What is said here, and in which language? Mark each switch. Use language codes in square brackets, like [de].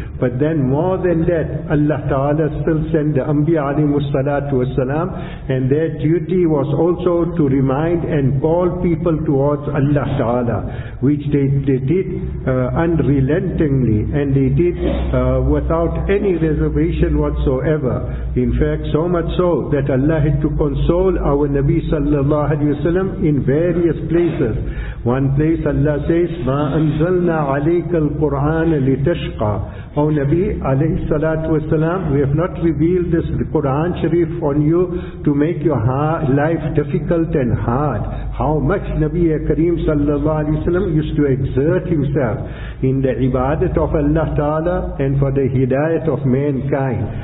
[en] But then more than that, Allah Ta'ala still sent the Anbiya alayhimus salatu wassalam, and their duty was also to remind and call people towards Allah Ta'ala, which they did unrelentingly, and they did without any reservation whatsoever. In fact, so much so that Allah had to console our Nabi sallallahu alaihi wasallam in various places. One place Allah says, [ar] ما أنزلنا عليك القرآن لتشقى. [en] O Nabi alayhi salatu wasalam, we have not revealed this Quran Sharif on you to make your life difficult and hard. How much Nabi Kareem sallallahu alayhi wasalam used to exert himself in the ibadat of Allah Ta'ala and for the hidayat of mankind.